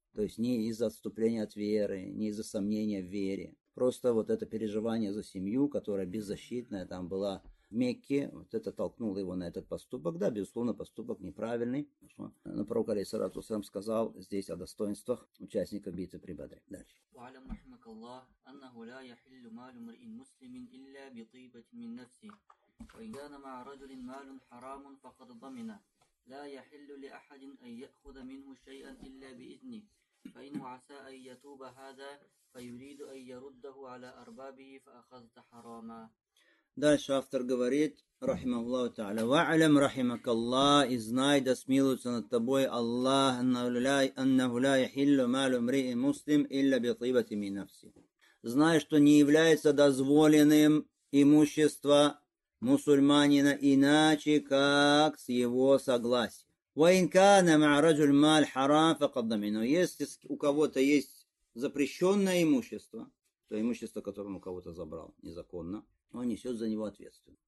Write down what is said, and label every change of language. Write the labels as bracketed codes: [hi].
[ru] То есть не из-за отступления от веры, не из-за сомнения в вере. Просто вот это переживание за семью, которая беззащитная там была в Мекке, вот это толкнуло его на этот поступок. Да, безусловно, поступок неправильный. Но пророк, алейхиссалату вассалям, сказал здесь о достоинствах участника битвы при Бадре. Дальше. [ar] وَعَلَمْ رَحْمَكَ اللَّهُ أَنَّهُ لَا يَحِلُّ مَالُ مَرْءٍ مُسْلِمٍ إِلَّا بِطِيبَةٍ مِنْ نَفْسِهِ وَإِذَا مَعَ رَجُلٍ مَالٌ حَرَامٌ فَقَدْ ضَمِنَ لا يحل لأحد أن يأخذ منه شيئا إلا بإذنه فإن عسى أن يتوب هذا فيريد أن يرده على أربابه فأخذت حراما. [ru] Дальше автор говорит, [ar] رحمه الله تعالى, وَعْلَمْ رَحِمَكَ اللَّهُ [ru] и знай, да смилуется над тобой Аллах, [ar] أنه لا يحل مال امرئ مسلم إلا بطيبة من نفسه. [ru] Знай, что не является дозволенным имущество мусульманина иначе, как с его согласия. [ar] وَإِنْ كَانَ مَعْ رَجُلْ مَالْ حَرَامْ فَقَدَّمِنُ. [ru] Если у кого-то есть запрещенное имущество, то имущество, которое он у кого-то забрал незаконно, он несет за него ответственность.